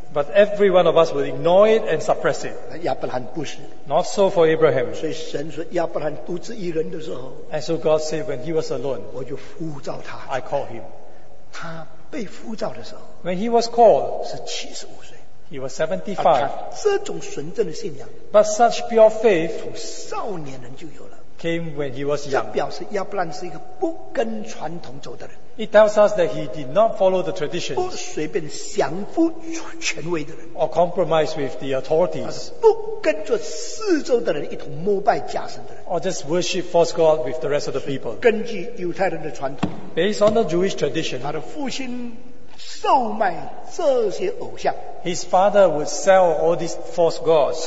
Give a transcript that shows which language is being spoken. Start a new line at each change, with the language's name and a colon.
English: But every one of us will ignore it and suppress it.
Chinese: 亚伯兰不是。
English: Not so for Abraham.
Chinese: 所以神说亚伯兰独自一人的时候,
English: and so God said when he was alone,
Chinese: 我就呼召他,
English: I call him.
Chinese: 他被呼召的时候,
English: when he was called,
Chinese: 是75岁。
English: He was 75.
Chinese: 他这种纯正的信仰,
English: but such pure faith,
Chinese: 从少年人就有了,
English: came when he was young.
Chinese: 这表示亚伯兰是一个不跟传统走的人。
English: It tells us that he did not follow the traditions,
Chinese: 不随便降服权威的人,
English: or compromise with the authorities,
Chinese: 不跟着四周的人一同膜拜假神的人,
English: or just worship false God with the rest of the people.
Chinese: 根据犹太人的传统,
English: based on the Jewish tradition,
Chinese: 他的父亲售卖这些偶像,
English: his father would sell all these false gods.